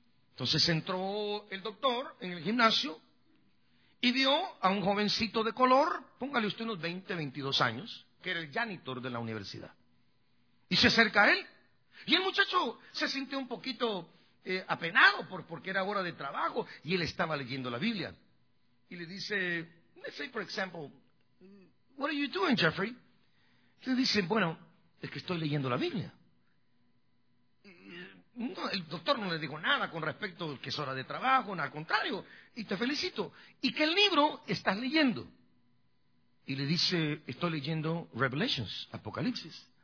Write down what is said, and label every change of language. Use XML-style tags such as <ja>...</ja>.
<es>Entonces entró el doctor en el gimnasio y vio a un jovencito de color, póngale usted unos 20, 22 años, que era el janitor de la universidad. Y se acerca a él. Y el muchacho se sintió un poquito apenado porque era hora de trabajo y él estaba leyendo la Biblia. Y le dice,</es> <en>let's say for example, what are you doing, Jeffrey?</en> <es>Y le dice, bueno, es que estoy leyendo la Biblia. No, el doctor no le dijo nada con respecto a que es hora de trabajo, no, al contrario, y te felicito. ¿Y qué libro estás leyendo? Y le dice, estoy leyendo Revelations, Apocalipsis.</es>